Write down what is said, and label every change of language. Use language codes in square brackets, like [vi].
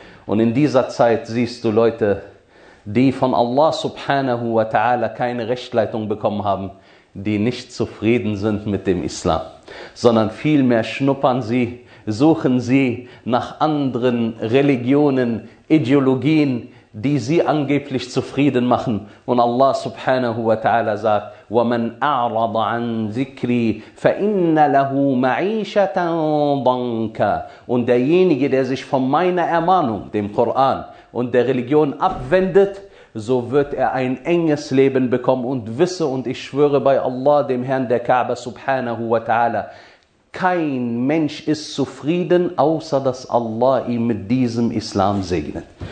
[de] Und in dieser Zeit siehst du Leute, die von Allah subhanahu wa ta'ala keine Rechtleitung bekommen haben, die nicht zufrieden sind mit dem Islam, sondern vielmehr schnuppern sie, suchen sie nach anderen Religionen, Ideologien, die sie angeblich zufrieden machen. Und Allah subhanahu wa ta'ala sagt, [ar] وَمَنْ أَعْرَضَ عَنْ ذِكْرِي فَإِنَّ لَهُ مَعِيشَةً ضَنْكَ. [de] Und derjenige, der sich von meiner Ermahnung, dem Koran und der Religion abwendet, so wird er ein enges Leben bekommen. Und wisse, und ich schwöre bei Allah, dem Herrn der Kaaba subhanahu wa ta'ala, kein Mensch ist zufrieden, außer dass Allah ihn mit diesem Islam segnet.